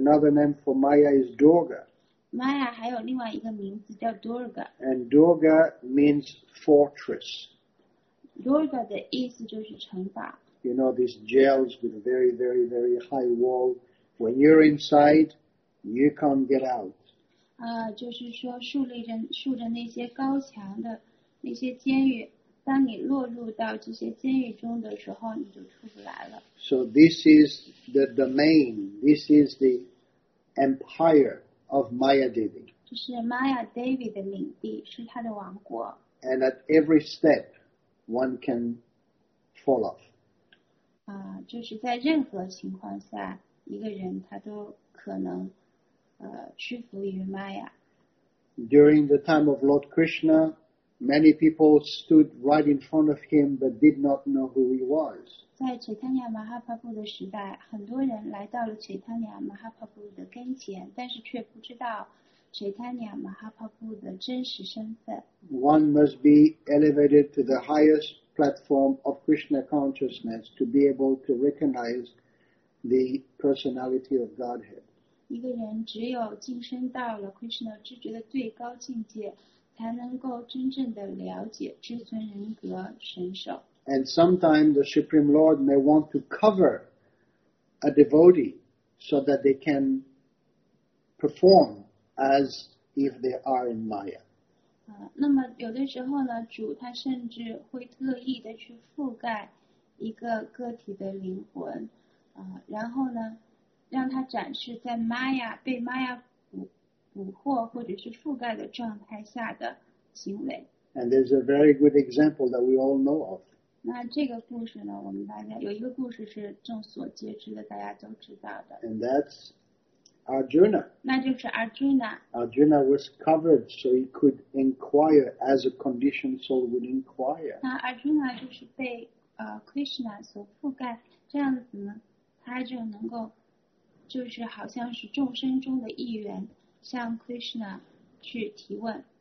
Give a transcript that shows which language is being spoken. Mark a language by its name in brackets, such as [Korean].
[English] Another name for Maya is Durga. [Chinese] Maya 还有另外一个名字叫 Durga. [English] And Durga means fortress. [Chinese] Durga 的意思就是城堡。 [English] You know, these jails with a very, very, very high wall. When you're inside, you can't get out. [Chinese] 就是说竖着那些高墙的那些监狱，当你落入到这些监狱中的时候，你就出不来了。 [English] So this is the domain, this is the empire of Maya Devi. [Chinese] 这是 Maya Devi 的领地，是他的王国。 [English] And at every step, one can fall off. [Chinese] 就是在任何情况下，一个人他都可能，屈服于 Maya。 [English] During the time of Lord Krishna, many people stood right in front of him but did not know who he was. [Chinese] 在 Chaitanya Mahaprabhu 的时代，很多人来到了 Chaitanya Mahaprabhu 的跟前，但是却不知道 Chaitanya Mahaprabhu 的真实身份。 [English] One must be elevated to the highest. Platform of Krishna consciousness to be able to recognize the personality of Godhead. [Chinese] 一个人只有晋升到了 Krishna 知觉的最高境界，才能够真正的了解至尊人格神首。 [English] And sometimes the Supreme Lord may want to cover a devotee so that they can perform as if they are in Maya. [Chinese] 那么有的时候呢，主他甚至会特意的去覆盖一个个体的灵魂，然后呢，让他展示在 Maya 被 Maya 捕获或者是覆盖的状态下的行为。 [English] And there's a very good example that we all know of. [Chinese] 那这个故事呢，我们大家有一个故事是众所皆知的，大家都知道的。 [English] And that's Arjuna. [Chinese] 那就是 Arjuna. [English] Arjuna was covered so he could inquire as a conditioned soul would inquire. [Chinese] 那 Arjuna 就是被Krishna 所覆盖，这样子呢，他就能够，就是好像是众生中的一员，向 Krishna 去提问。